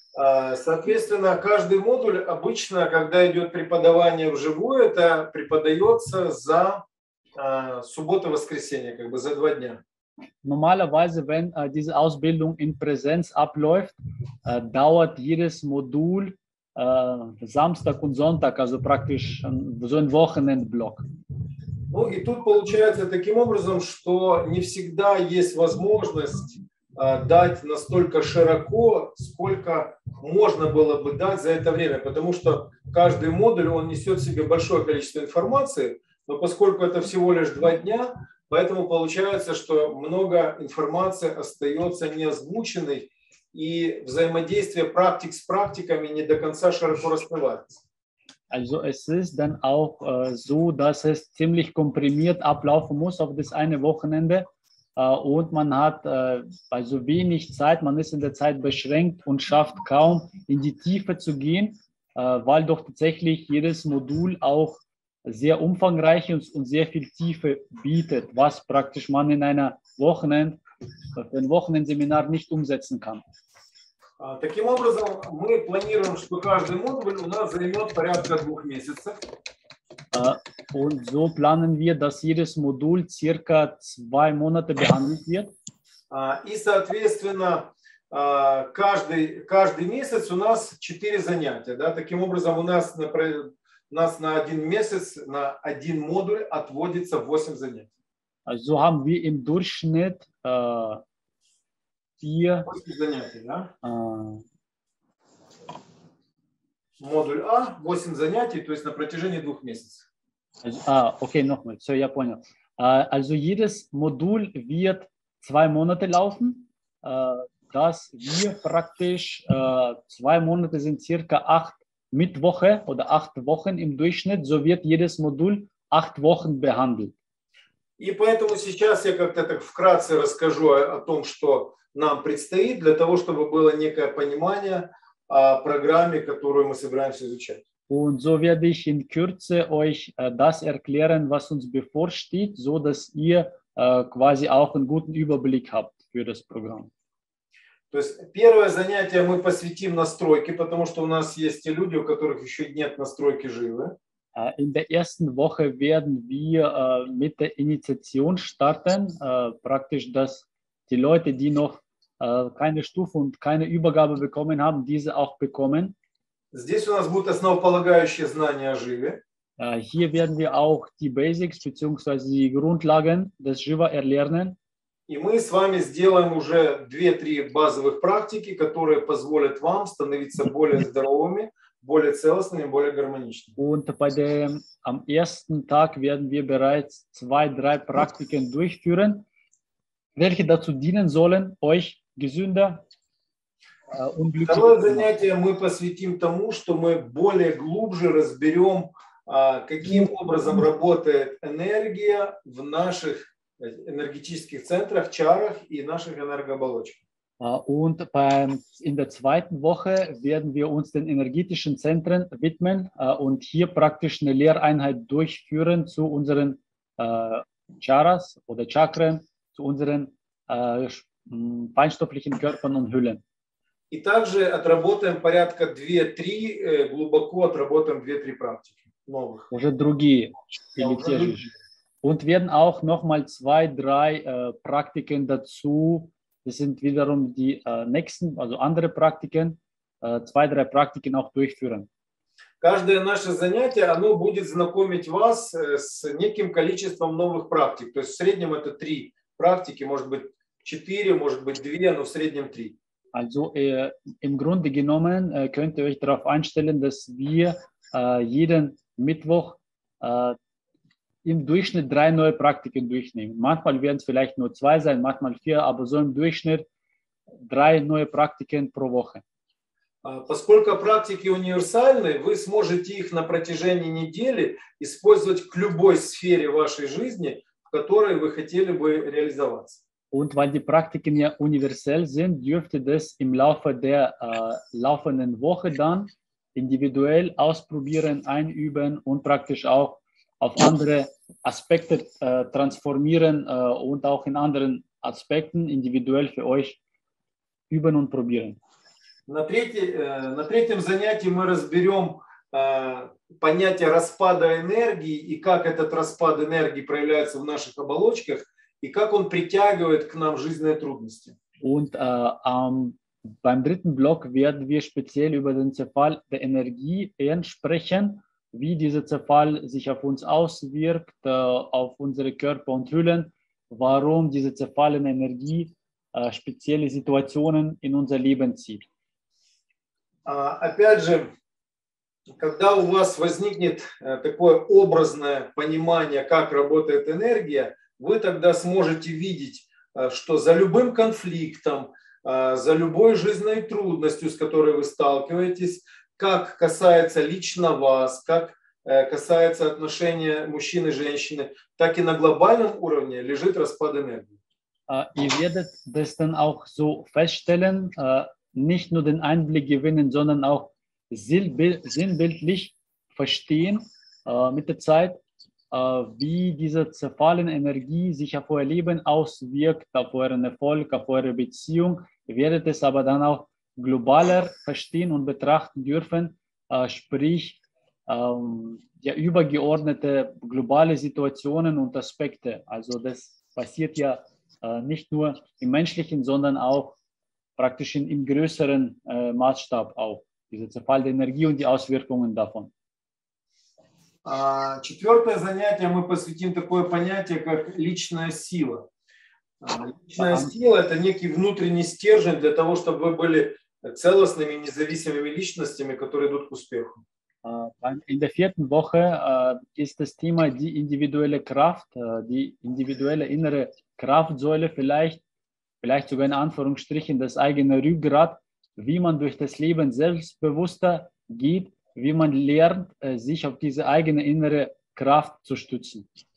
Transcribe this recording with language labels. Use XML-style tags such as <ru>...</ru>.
<ru>Соответственно, каждый модуль обычно, когда идет преподавание вживую, это преподается за субботу-воскресенье, как бы за 2 дня.</ru> <de>Normalerweise, wenn diese Ausbildung in Präsenz abläuft, dauert jedes Modul Samstag und Sonntag, also praktisch so ein Wochenendblock.</de> <ru>Ну и тут получается таким образом, что не всегда есть возможность дать настолько широко, сколько можно было бы дать за это время, потому что каждый модуль, он несет в себе большое количество информации, но поскольку это всего лишь 2 дня, поэтому получается, что много информации остается неозвученной и взаимодействие практик с практиками не до конца широко раскрывается.</ru> <de>Also es ist dann auch so, dass es ziemlich komprimiert ablaufen muss auf das eine Wochenende. Und man hat also wenig Zeit, man ist in der Zeit beschränkt und schafft kaum in die Tiefe zu gehen, weil doch tatsächlich jedes Modul auch sehr umfangreich und sehr viel Tiefe bietet, was praktisch man in einer Wochenendseminar nicht umsetzen kann.</de> <ru>Таким образом, мы планируем, что каждый модуль у нас займет порядка 2 месяца.</ru> <de>Und so planen wir, dass jedes Modul circa 2 Monate behandelt wird.</de> <ru>И, соответственно, каждый месяц у нас 4 занятия. Да? Таким образом, у нас на 1 месяц, на 1 модуль отводится 8 занятий.</ru> <de>Also haben wir im Durchschnitt 4 занятия,</de> <ru>да? Модуль А, 8 занятий, то есть на протяжении 2 месяцев.</ru> <de>Okay, nochmal. So,</de> <ru>я понял.</ru> <de>Also jedes Modul wird 2 Monate laufen. Das wir praktisch 2 Monate sind circa 8 Mittwoche oder 8 Wochen im Durchschnitt. So wird jedes Modul 8 Wochen behandelt.</de> <ru>И поэтому сейчас я как-то так вкратце расскажу о том, что нам предстоит, для того, чтобы было некое понимание о программе, которую мы собираемся изучать.</ru> <de>Und so werde ich in Kürze euch das erklären, was uns bevorsteht, so dass ihr quasi auch einen guten Überblick habt für das Programm.</de> <ru>То есть первое занятие мы посвятим настройке, потому что у нас есть те люди, у которых еще нет настройки живы.</ru> <de>In der ersten Woche werden wir mit der Initiation starten, praktisch, dass die Leute, die noch keine Stufe und keine Übergabe bekommen haben, diese auch bekommen.</de> <ru>Здесь у нас будут основополагающие знания о живе.</ru> <de>Hier werden wir auch die Basics bzw. die Grundlagen des Jiva erlernen.</de> <ru>И мы с вами сделаем уже 2-3 базовых практики, которые позволят вам становиться более здоровыми, более целостными, более гармоничными.</ru> <de>Und bei dem am ersten Tag werden wir bereits 2-3 Praktiken durchführen, welche dazu dienen sollen, euch gesünder.</de> <ru>Второе занятие мы посвятим тому, что мы более глубже разберем, каким образом работает энергия в наших энергетических центрах, чарах и наших энергооболочках.</ru> <de>Und in der zweiten Woche werden wir uns den energetischen Zentren widmen und hier praktisch eine Lehreinheit durchführen zu unseren Charas oder Chakren, zu unseren feinstofflichen Körpern und Hüllen.</de> <ru>И также отработаем порядка 2-3, глубоко отработаем 2-3 практики новых. Уже другие. Или те же.</ru> <de>Und werden auch nochmal 2-3 Praktiken dazu, das sind wiederum die nächsten, also andere Praktiken, 2-3 Praktiken auch durchführen.</de> <ru>каждое наше занятие, оно будет знакомить вас с неким количеством новых практик. То есть в среднем это 3 практики, может быть 4, может быть 2, но в среднем 3.</ru> <de>Also im Grunde genommen könnt ihr euch darauf einstellen, dass wir jeden Mittwoch im Durchschnitt 3 neue Praktiken durchnehmen. Manchmal werden es vielleicht nur 2 sein, manchmal 4, aber so im Durchschnitt 3 neue Praktiken pro Woche.</de> <ru>Поскольку практики универсальны, вы сможете их на протяжении недели использовать к любой сфере вашей жизни, в которой вы хотели бы реализоваться.</ru> <de>Und weil die Praktiken ja universell sind, dürft ihr das im Laufe der laufenden Woche dann individuell ausprobieren, einüben und praktisch auch auf andere Aspekte transformieren und auch in anderen Aspekten individuell für euch üben und probieren.</de> <ru>На третьем занятии мы разберем понятие распада энергии и как этот распад энергии проявляется в наших оболочках и как он притягивает к нам жизненные трудности.</ru> <de>Und beim dritten Block werden wir speziell über den Zerfall der Energie sprechen, wie dieser Zerfall sich auf uns auswirkt, auf unsere Körper und Hüllen, warum diese zerfallene Energie spezielle Situationen in unser Leben zieht.</de> <ru>Опять же, когда у вас возникнет такое образное понимание, как работает энергия, вы тогда сможете видеть, что за любым конфликтом, за любой жизненной трудностью, с которой вы сталкиваетесь, как касается лично вас, как касается отношения мужчины и женщины, так и на глобальном уровне лежит распад энергии. И вы будете это также</ru> <de>feststellen, nicht nur den Einblick gewinnen, sondern auch sinnbildlich verstehen mit der Zeit, wie diese zerfallene Energie sich auf euer Leben auswirkt, auf euren Erfolg, auf eure Beziehung. Ihr werdet es aber dann auch globaler verstehen und betrachten dürfen, sprich ja, übergeordnete globale Situationen und Aspekte. Also das passiert ja nicht nur im Menschlichen, sondern auch praktisch im größeren Maßstab auch, dieser Zerfall der Energie und die Auswirkungen davon.</de> <ru>Четвертое занятие мы посвятим такое понятие, как личная сила. Личная сила – это некий внутренний стержень для того, чтобы вы были целостными, независимыми личностями, которые идут к успеху.</ru> <de>In der vierten Woche ist das Thema die individuelle Kraft, die individuelle innere Kraftsäule vielleicht sogar in Anführungsstrichen das eigene Rückgrat, wie man durch das Leben selbstbewusster geht, wie man lernt, sich auf diese eigene innere Kraft zu stützen.</de>